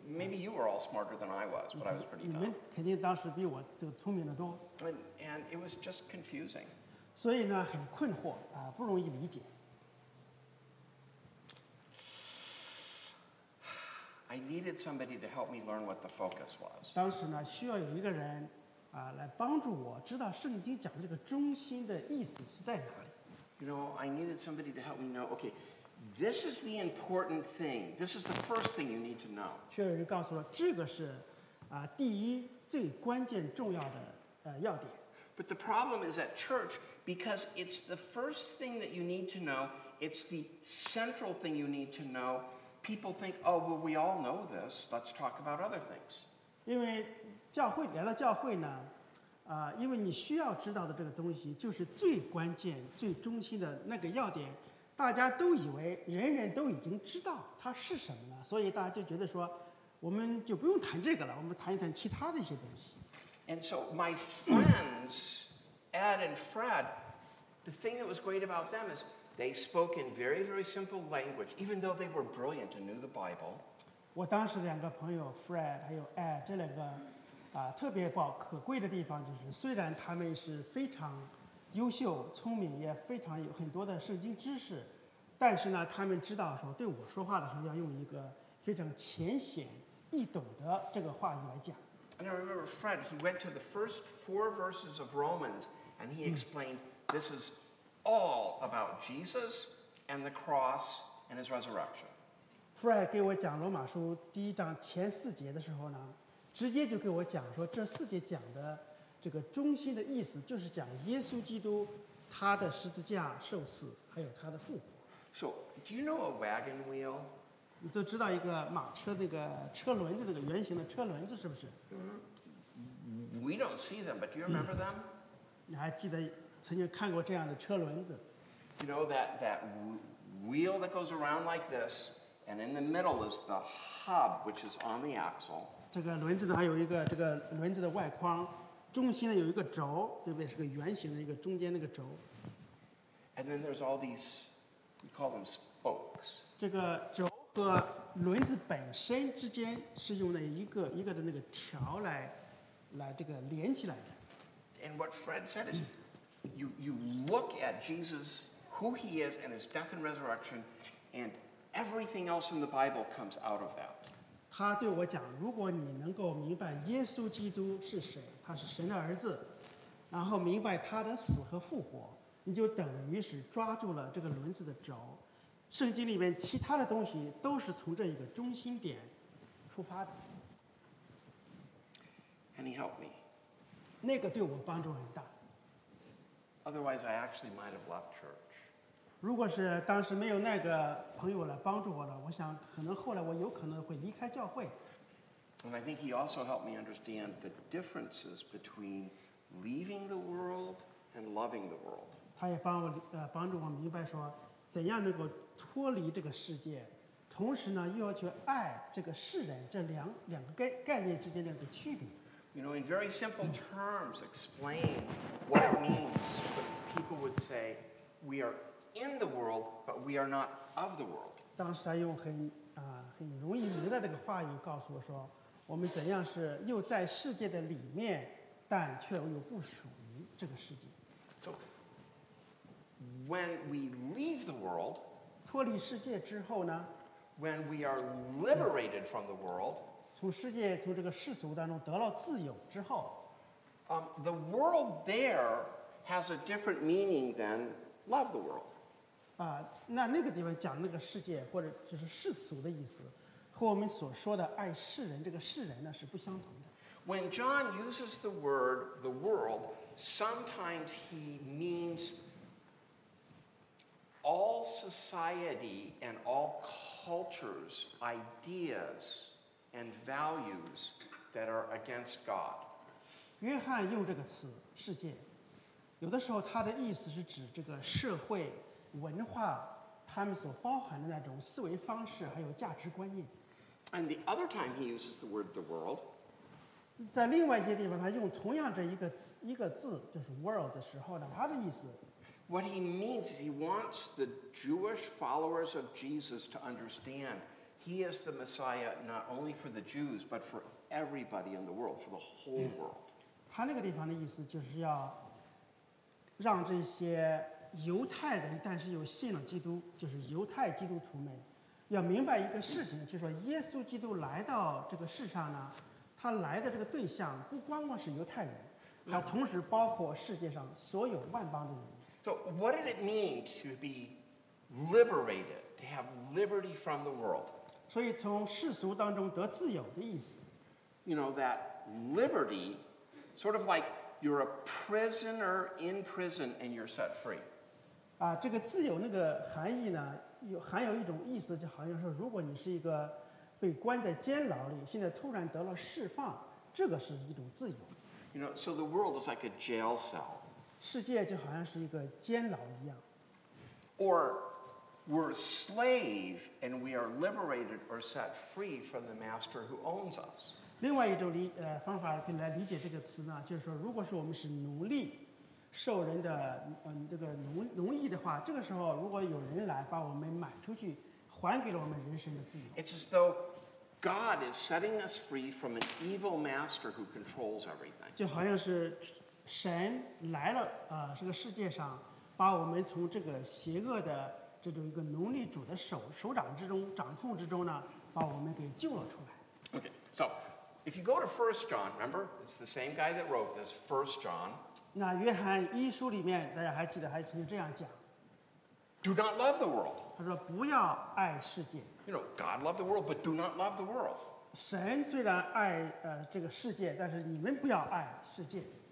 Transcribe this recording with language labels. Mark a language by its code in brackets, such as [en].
[en] maybe you were all smarter than I was, but I was pretty dumb. [zh] 你们肯定当时比我这个聪明的多。 [en] And it was just confusing. [zh] 所以呢，很困惑啊，不容易理解。 [en] I needed somebody to help me learn what the focus was. [zh] 当时呢，需要有一个人，来帮助我知道圣经讲的这个中心的意思是在哪里。 [en] You know, I needed somebody to help me know. Okay, this is the important thing. This is the first thing you need to know. [zh] 需要有人告诉我，这个是，第一最关键重要的要点。 [en] But the problem is at church, Because it's the first thing that you need to know. It's the central thing you need to know. People think, oh, well, we all know this. Let's talk about other things. [zh] 因为教会来到教会呢，因为你需要知道的这个东西就是最关键、最中心的那个要点。大家都以为人人都已经知道它是什么了，所以大家就觉得说，我们就不用谈这个了，我们谈一谈其他的一些东西。 [en] And so my friends, Ed and Fred, the thing that was great about them is they spoke in very, very simple language, even though they were brilliant and knew the Bible. [zh] 我当时两个朋友 Fred 还有 Ed 这两个，特别宝可贵的地方就是，虽然他们是非常优秀、聪明，也非常有很多的圣经知识，但是呢，他们知道说对我说话的时候要用一个非常浅显易懂的这个话语来讲。 [en] And I remember Fred, he went to the first four verses of Romans, and he explained, this is all about Jesus and the cross and his resurrection. [zh] Fred 给我讲罗马书第一章前四节的时候呢，直接就给我讲说这四节讲的这个中心的意思就是讲耶稣基督他的十字架受死还有他的复活。 [en] So, do you know a wagon wheel? [zh] 你都知道一个马车那个车轮子那个圆形的车轮子是不是 [en] We don't see them, but do you remember them? [zh] 你还记得曾经看过这样的车轮子 [en] You know that wheel that goes around like this, and in the middle is the hub, which is on the axle. [zh] 这个轮子呢还有一个这个轮子的外框中心呢有一个轴对不对是个圆形的一个中间那个轴 [en] And then there's all these, we call them spokes. [zh] 这个轴和轮子本身之间是用了一个的那个条来这个连起来的。 [en] And what Fred said is, you look at Jesus, who he is, and his death and resurrection, and everything else in the Bible comes out of that. [zh] 他对我讲，如果你能够明白耶稣基督是谁，他是神的儿子，然后明白他的死和复活，你就等于是抓住了这个轮子的轴。圣经里面其他的东西都是从这一个中心点出发的。 [en] And he helped me. [zh] 那个对我帮助很大。 [en] Otherwise, I actually might have left church. [zh] 如果是当时没有那个朋友来帮助我了，我想可能后来我有可能会离开教会。 [en] And I think he also helped me understand the differences between leaving the world and loving the world. [zh] 他也帮助我明白说怎样能够脱离这个世界，同时呢，又要去爱这个世人，这两个概念之间的一个区别。 [en] You know, in very simple terms, explain what it means when people would say we are in the world, but we are not of the world. [zh] 当时他用很容易明白这个话语告诉我说，我们怎样是又在世界的里面，但却又不属于这个世界。 [en] So, when we leave the world. [zh] 脱离世界之后呢 [en] ？When we are liberated from the world， [zh] 从世界从这个世俗当中得到自由之后 [en] ，the world there has a different meaning than love the world。 [zh] 啊，那个地方讲那个世界或者就是世俗的意思，和我们所说的爱世人这个世人呢是不相同的。 [en] When John uses the word the world， sometimes he means。 All society and all cultures, ideas and values that are against God. [zh] 约翰用这个词“世界”，有的时候他的意思是指这个社会文化，他们所包含的那种思维方式还有价值观念。 [en] And the other time he uses the word "the world." [zh] 在另外一些地方，他用同样这一个字，就是 "world" 的时候呢，他的意思。 [en] What he means is he wants the Jewish followers of Jesus to understand he is the Messiah not only for the Jews, but for everybody in the world, for the whole world. [zh] 他那个地方的意思就是要让这些犹太人但是又信了基督就是犹太基督徒们要明白一个事情就是说耶稣基督来到这个世上呢他来的这个对象不光光是犹太人他同时包括世界上所有万邦的人。 [en] So what did it mean to be liberated, to have liberty from the world? [zh] 所以从世俗当中得自由的意思。 [en] You know, that liberty, sort of like You're a prisoner in prison and you're set free. [zh] 啊，这个自由那个含义呢，有含有一种意思，就好像说，如果你是一个被关在监牢里，现在突然得了释放，这个是一种自由。 [en] You know, so the world is like a jail cell. [zh] 世界就好像是一个监牢一样。 [en] Or we're slave and we are liberated or set free from the master who owns us. [zh] 另外一种理方法可以来理解这个词呢，就是说，如果说我们是奴隶。受人的这个奴役的话，这个时候如果有人来把我们买出去，还给了我们人生的自由。 [en] It's as though God is setting us free from an evil master who controls everything. [zh] 就好像是神来了这个世界上，把我们从这个邪恶的这种一个奴隶主的手掌之中、掌控之中呢，把我们给救了出来。 [en] Okay, so if you go to 1 John, remember it's the same guy that wrote this, 1 John. [zh] 那约翰一书里面，大家还记得还曾经这样讲 [en] ：Do not love the world。 [zh] 他说不要爱世界。 [en] You know, God loved the world, but do not love the world。 [zh] 神虽然爱这个世界，但是你们不要爱世界。